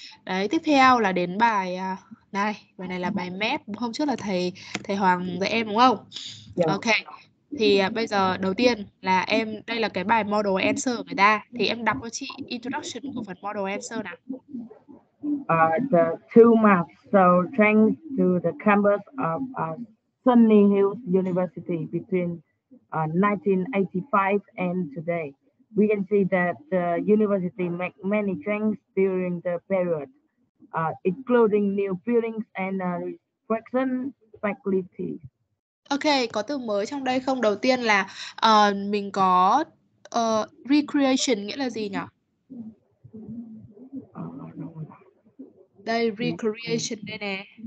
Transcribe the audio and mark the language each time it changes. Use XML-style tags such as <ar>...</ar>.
<vi>Đấy, tiếp theo là đến bài này. Bài này là bài mép, hôm trước là thầy Hoàng dạy em đúng không? Yeah. Ok, thì bây giờ đầu tiên là em, đây là cái bài model answer của người ta. Thì em đọc cho chị introduction của phần model answer nào.</vi> <en>The two maps show change to the campus of Sunny Hills University between 1985 and today. We can see that the university made many changes during the period, including new buildings and restrictions faculty.</en> <vi>Ok, có từ mới trong đây không? Đầu tiên là mình có recreation nghĩa là gì nhỉ? Đây, recreation đây nè.</vi>